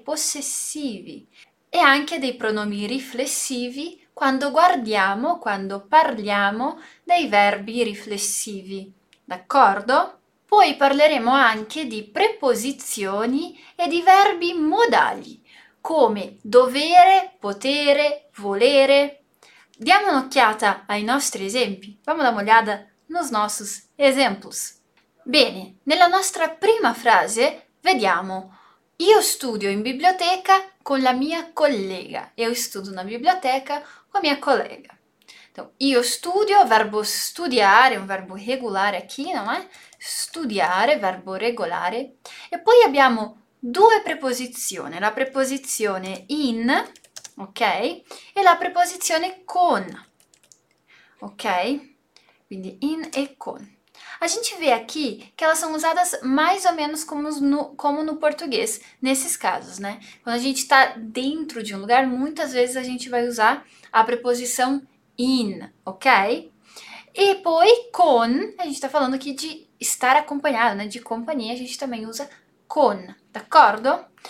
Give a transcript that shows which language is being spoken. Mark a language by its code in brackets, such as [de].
[it] Possessivi. E anche dei pronomi riflessivi quando parliamo dei verbi riflessivi, d'accordo? Poi parleremo anche di preposizioni e di verbi modali, come dovere, potere, volere. Diamo un'occhiata ai nostri esempi. [pt] Vamo dar un'occhiata nos nossos exemplos. [it] Bene, nella nostra prima frase vediamo: io studio in biblioteca con la mia collega. Io studio na biblioteca con mia collega. Então, io studio, verbo studiare, un verbo regolare qui, non è? Studiare, verbo regolare. E poi abbiamo due preposizioni, la preposizione in, ok? E la preposizione con, ok? Quindi in e con. [pt] A gente vê aqui que elas são usadas mais ou menos como no português, nesses casos, né? Quando a gente está dentro de um lugar, muitas vezes a gente vai usar a preposição in, ok? E poi con, a gente está falando aqui de estar acompanhado, né? De companhia, a gente também usa con, d'accordo?